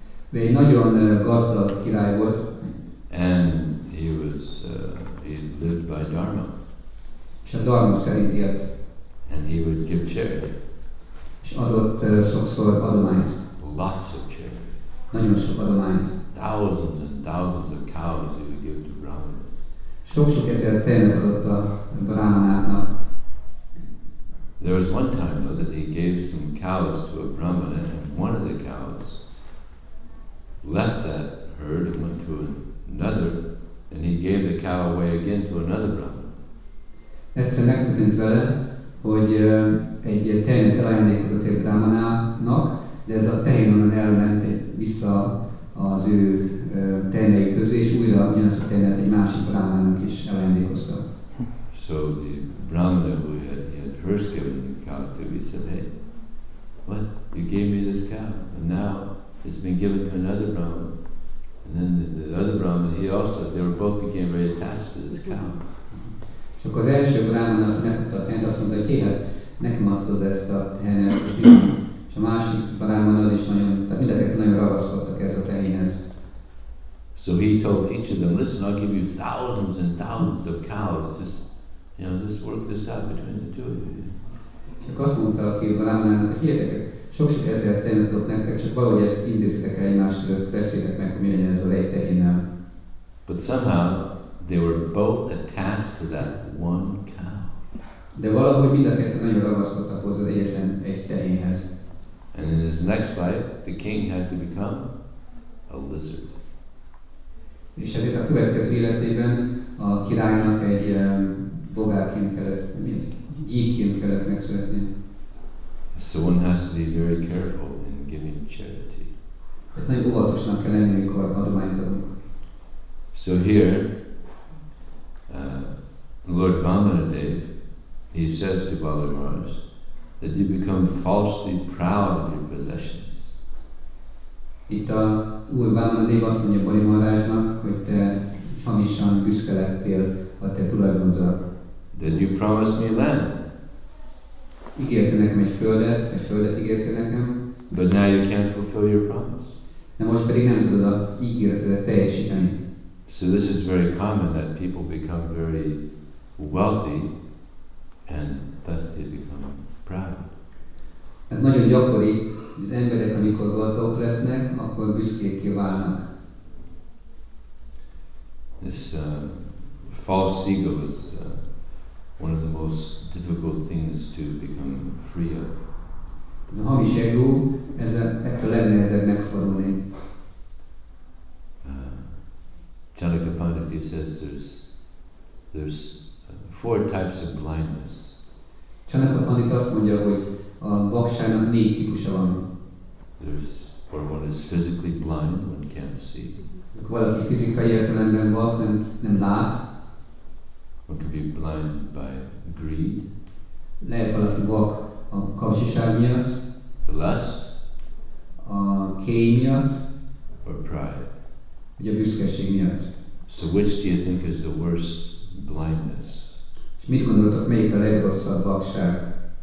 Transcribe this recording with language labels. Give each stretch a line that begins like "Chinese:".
Hungarian: De egy nagyon gazdag király volt.
English: And he was he lived by dharma.
Hungarian: És a dharma szerint élt.
English: And he would give charity.
Hungarian: És adott sokszor adományt.
English: Lots of charity.
Hungarian: Nagyon sok adományt.
English: Thousands and thousands of cows he would give to brahmanas.
Hungarian: Sok-sok ezer tejet adott a brahmanáknak.
English: There was one time though that he gave some cows to a brahmana, and one of the cows left that herd and went to another, and he gave the cow away again to another brahmana.
Hungarian: Egyszer megtudtunk vele, hogy egy tejet elajándékozott egy brahmanának, de ez a tehén onnan elment vissza az ő tejnei közé, és újra ugyanazt a tejet egy másik brahmanának is elajándékozta.
English: So the brahmana who had first given the cow to me said, hey, what? You gave me this cow, and now it's been given to another brahmana. And then the other brahmana, he also, they were both became very attached to this cow.
Hungarian: És akkor az első brahmana, aki megkapta a tehenet, azt mondta, hogy hihet, nekem adod ezt a tehenet, és a másik brahmana az is nagyon, tehát mindenek nagyon ragaszkodtak ez a tehenhez.
English: So he told each of them, listen, I'll give you thousands and thousands of cows, just, you know, just work this out between the two of you.
Hungarian: És akkor azt mondta, aki a brahmanának, hogy hihetek, sok-sok ezer tehenet adott nektek, csak valahogy ezt intézitek el egymás között, beszéltek meg, hogy mi legyen ez a lejt tehénnel.
English: But somehow, they were both attached to that one cow.
Hungarian: De valahogy mind a kettő nagyon ragaszkodtak hozzá egyetlen egy tehénhez.
English: And in his next life, the king had to become a lizard.
Hungarian: És ezért a következő életében a királynak egy bogárként kellett, mi az? Gyíkként kellett megszületni.
English: So one has to be very careful in giving charity.
Hungarian: Ezt nagyon óvatosnak kell lenni, mikor adományt adunk.
English: So here, Lord Vamanadeva, he says to Bali Maharaj that you become falsely proud of your possessions.
Hungarian: Itt a Úr Vamanadeva azt mondja Bali Maharajnak, hogy te hamisan büszke lettél a te tulajdonodra.
English: That you promised me land.
Hungarian: Ígérte nekem egy földet ígérte nekem.
English: But now you can't fulfill your promise.
Hungarian: De most pedig nem tudod a ígéretedet teljesíteni.
English: So this is very common that people become very wealthy and thus they become proud.
Hungarian: Ez nagyon gyakori, az emberek, amikor gazdagok lesznek, akkor büszkékké válnak.
English: This false ego is one of the most difficult things to become free of.
Hungarian: Ez a hamis ego, ez ettől legnehezebb megszabadulni.
English: Chanaka Pandita says there's four types of blindness.
Hungarian: Chanaka Pandita azt mondja, hogy a vakságnak négy típusa van.
English: There's where one is physically blind, one can't see.
Hungarian: Valaki fizikai értelemben vak, nem lát.
English: One can be blind by greed.
Hungarian: Lehet valaki vak a kapcsiság miatt.
English: The lust.
Hungarian: A kény miatt.
English: Or pride.
Hungarian: Vagy a büszkeség miatt.
English: So which do you think is the worst blindness?
Hungarian: És mit gondoltok, melyik a legrosszabb vakság?